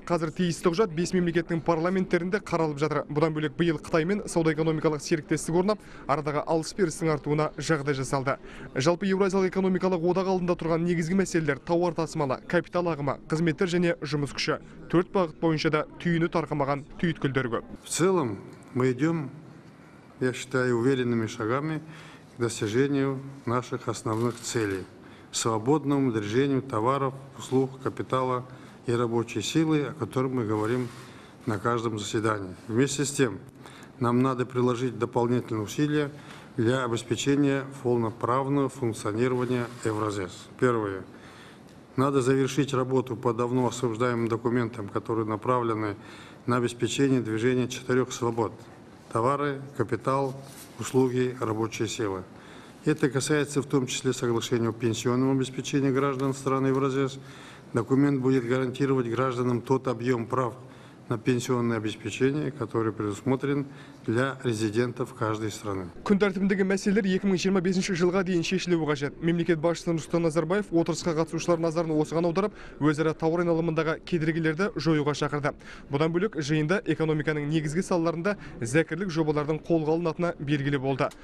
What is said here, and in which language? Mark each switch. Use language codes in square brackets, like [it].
[kk] Қазір тиісті құжат 5 мемлекеттің парламенттерінде қаралып жатыр. Бұдан бөлек биыл Қытаймен сауда экономикалық серіктестік орнап, арадағы алыс-берістің артуына жағдай жасалды. Жалпы Еуразиялық экономикалық одақ алдында тұрған негізгі мәселелер тауар тасымалы, капитал ағымы, қызметтер және жұмыс күші. Төрт бағыт бойынша да түйіні тарқамаған түйткілдер көп. [ru] В целом мы идем, я считаю, уверенными шагами к достижению наших основных целей. Свободному движению товаров, услуг, капитала и рабочей силы, о которой мы говорим на каждом заседании. Вместе с тем, нам надо приложить дополнительные усилия для обеспечения полноправного функционирования Евразес. Первое. Надо завершить работу по давно осуждаемым документам, которые направлены на обеспечение движения четырех свобод – товары, капитал, услуги, рабочие силы. Это касается в том числе соглашения о пенсионном обеспечении граждан стран Евразес. Документ будет гарантировать гражданам тот объем прав, на пенсионное обеспечение, который предусмотрен для резидентов каждой страны. [kk] Күн тәртібіндегі мәселелер 2025 жылға дейін шешілуі қажет. Мемлекет басшысы Нұрсұлтан Назарбаев отырысқа қатысушылар назарын осыған аударып, өзара тауар айналымындағы кедергілерді жоюға шақырды. Бұдан бөлек жиында экономиканың негізгі салаларында зәкірлік жобалардың қолға алынатыны белгілі болды.